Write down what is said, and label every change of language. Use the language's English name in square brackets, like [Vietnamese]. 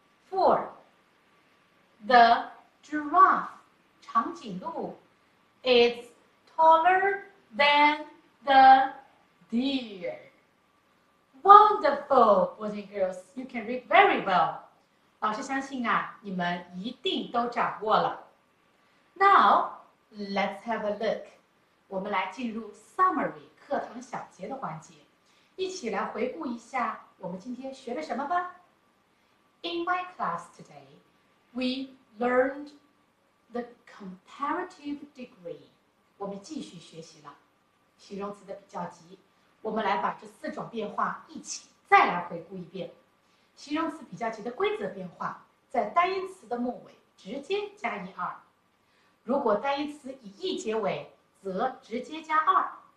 [English] Four, the giraffe, 长颈鹿, is taller than the deer. Wonderful, boys and girls, you can read very well. [Chinese] 老师相信啊，你们一定都掌握了。 [English] Now, let's have a look. [Chinese] 我们来进入 summary 课堂小结的环节，一起来回顾一下我们今天学了什么吧。 [English] In my class today, we learned the comparative degree. [Chinese] 我们继续学习了形容词的比较级。我们来把这四种变化一起再来回顾一遍。形容词比较级的规则变化，在单音词的末尾直接加一二。如果单音词以一结尾，则直接加二。